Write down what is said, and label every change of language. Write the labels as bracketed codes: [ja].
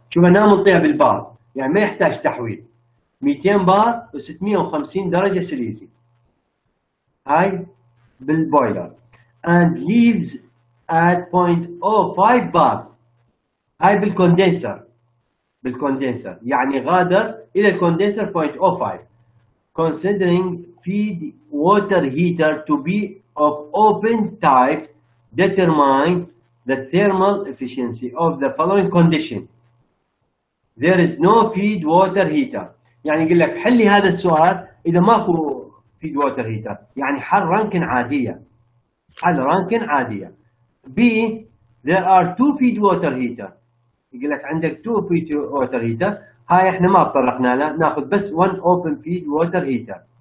[ar] شوف انا منطيها بالبار يعني ما يحتاج تحويل، 200 بار و650 درجة سليزي هاي بالبويلر [en] and leaves at 0.05 bar [ar] هاي بالكوندنسر. بالكوندنسر يعني غادر الى الكوندنسر 0.05. [en] considering feed water heater to be of open type determine the thermal efficiency of the following condition there is no feed water heater. [ar] يعني يقول لك حلي هذا السؤال اذا ماكو فيد ووتر هيتر، يعني حل رانكن عاديه، حل رانكن عاديه. [en] B there are two feed water heater, [ar] يقول لك عندك تو فيد ووتر هيتر، هاي احنا ما تطرقنا لها، ناخذ بس ون اوبن فيد ووتر هيتر.